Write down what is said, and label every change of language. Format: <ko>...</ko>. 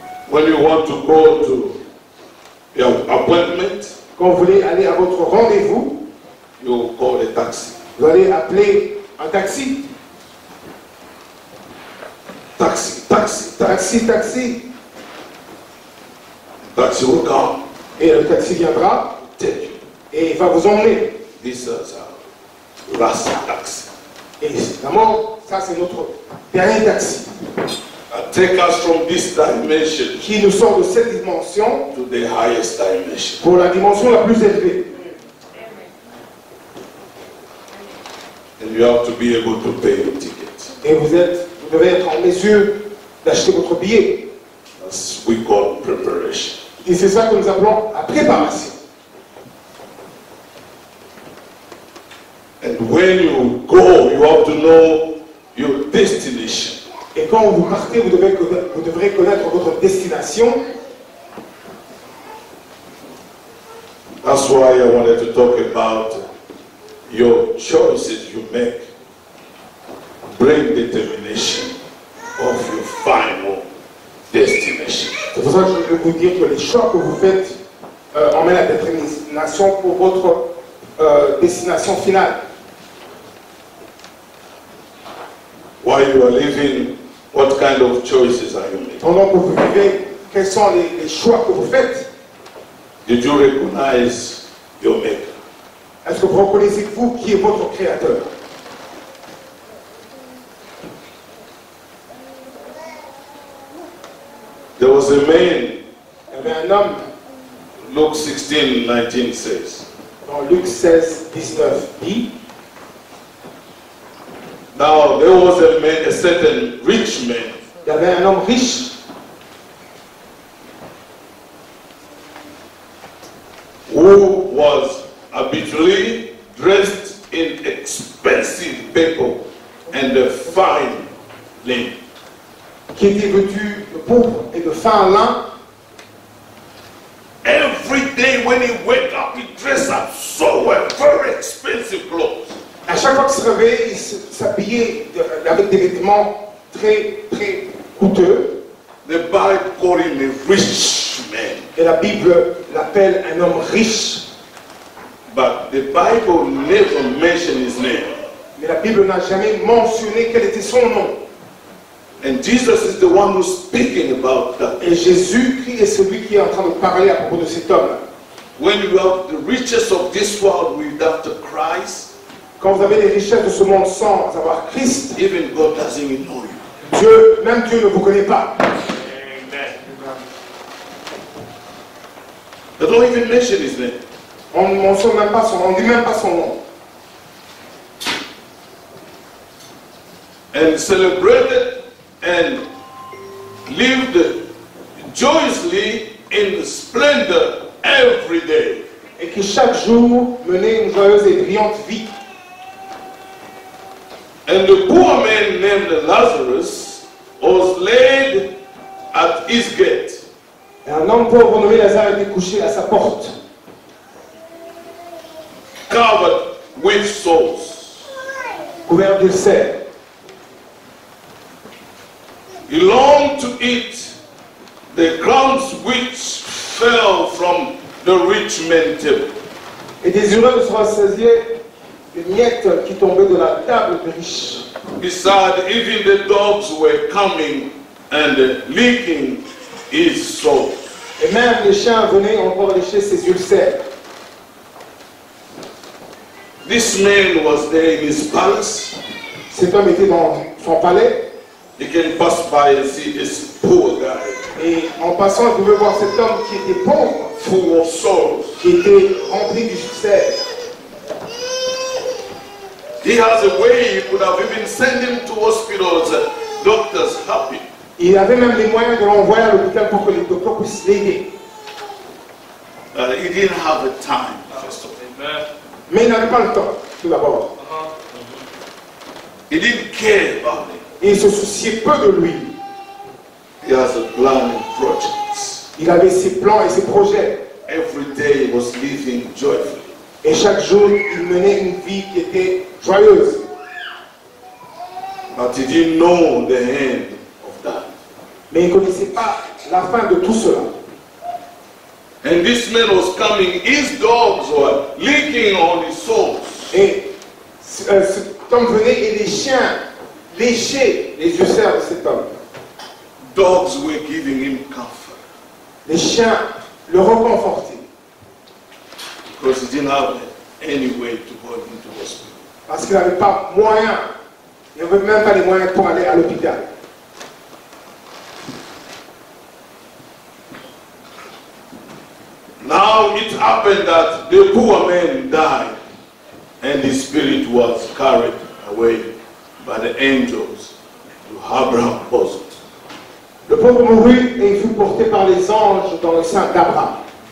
<en>When you want to go to your appointment,</en> <fr>quand vous voulez aller à votre rendez-vous,</fr> <en>you call a taxi.</en> <fr>Vous allez appeler un taxi.</fr> <en>Taxi, taxi, taxi, taxi. Taxi will come.</en> <fr>Et le taxi viendra.</fr> <en>Take you.</en> <fr>Et il va vous emmener.</fr> <en>This is our last taxi.</en> <fr>Et finalement, ça c'est notre dernier taxi.</fr> <en>Take us from this dimension.</en> <fr>Qui nous sort de cette dimension.</fr> <en>To the highest dimension.</en> <fr>Pour la dimension la plus élevée.</fr> <en>And you have to be able to pay your ticket.</en> <fr>Et vous êtes. Vous devez être en mesure d'acheter votre billet.</fr> <en>That's what we call preparation.</en> <fr>Et c'est ça que nous appelons la préparation.</fr> <en>And when you go, you have to know your destination.</en> <fr>Et quand vous partez, vous devrez connaître votre destination.</fr> <en>That's why I wanted to talk about your choices you make. Bring determination of your final destination.</en> <fr>C'est pour ça que je veux vous dire que les choix que vous faites emmènent la détermination pour votre destination finale.</fr> <en>While you are living, what kind of choices are you making?</en> <fr>Pendant que vous vivez, quels sont les choix que vous faites?</fr> <en>Did you recognize your maker?</en> <fr>Est-ce que vous reconnaissez vous qui est votre créateur?</fr> <en>There was a man.</en> <fr>Il y avait un homme.</fr> <en>Luke 16, 19 says.</en> <fr>Dans Luc 16, 19 dit.</fr> <en>Now there was a man, a certain rich man.</en> <fr>Il y avait un homme riche.</fr> <en>Who was habitually dressed in expensive purple and a fine linen.</en> <fr>Qui était vêtu de pourpre et de fin lin.</fr> <en>Every day when he wake up, he dressed up so well, very expensive clothes.</en> <fr>À chaque fois qu'il se réveille, il s'habillait avec des vêtements très très coûteux.</fr> <en>The Bible called him a rich man.</en> <fr>Et la Bible l'appelle un homme riche.</fr> <en>But the Bible never mentioned his name.</en> <fr>Mais la Bible n'a jamais mentionné quel était son nom.</fr> <en>And Jesus is the one who's speaking about that.</en> <fr>Et Jésus-Christ est celui qui est en train de parler à propos de cet homme-là.</fr> <en>When you have the riches of this world without Christ,</en> <fr>quand vous avez les richesses de ce monde sans avoir Christ,</fr> <en>even God doesn't even know you.</en> <fr>Dieu, même Dieu ne vous connaît pas.</fr> <en>Amen. They don't even mention his name.</en> <fr>On ne mentionne même pas son nom, on ne dit même pas son nom.</fr> <en>And celebrated. And lived joyously in splendor every day.</en> <fr>Et qui chaque jour menait une joyeuse et brillante vie.</fr> <en>And a poor man named Lazarus was laid at his gate.</en> <fr>Et un homme pauvre nommé Lazare était couché à sa porte.</fr> <en>Covered with sores.</en> <fr>Couvert de serre.</fr> <en>He longed to eat the crumbs which fell from the rich man's table.</en> <fr>Et désireux de se rassasier les miettes qui tombaient de la table du riche.</fr> <en>Beside, even the dogs were coming and licking his sores.</en> <fr>Et même les chiens venaient encore lécher ses ulcères.</fr> <en>This man was there in his palace.</en> <fr>Cet homme était dans son palais.</fr> <en>He can pass by and see this poor guy.</en> <fr>Et en passant, vous pouvez voir cet homme qui était pauvre,</fr> <en>full of sorrow,</en> <fr>qui était rempli de succès.</fr> <en>He has a way he could have even sent him to hospitals, doctors happy.</en> <fr>Il avait même les moyens de l'envoyer à l'hôpital pour que les docteurs puissent l'aider.</fr> <en>He didn't have the time, first of all.</en> <fr>Mais il n'avait pas le temps, tout d'abord.</fr> <en>He didn't care about me.</en> <fr>Il se souciait peu de lui.</fr> <en>He has a plan and projects.</en> <fr>Il avait ses plans et ses projets.</fr> <en>Every day he was living joyfully.</en> <fr>Et chaque jour, il menait une vie qui était joyeuse.</fr> <en>But he didn't know the end of that.</en> <fr>Mais il ne connaissait pas la fin de tout cela.</fr> <en>And this man was coming, his dogs were licking on his soles.</en> <fr>Et cet homme venait et les chiens léchaient les ulcères de cet homme.</fr> <en>Dogs were giving him comfort.</en> <fr>Les chiens le réconfortaient.</fr> <en>Because he didn't have any way to go into hospital.</en> <fr>Parce qu'il n'avait pas moyen. Il n'avait même pas les moyens pour aller à l'hôpital.</fr> <en>Now it happened that the poor man died and his spirit was carried away by the angels to Abraham's bosom.</en> <fr>Le pauvre mourut et il fut porté par les anges dans le sein d'Abraham.</fr>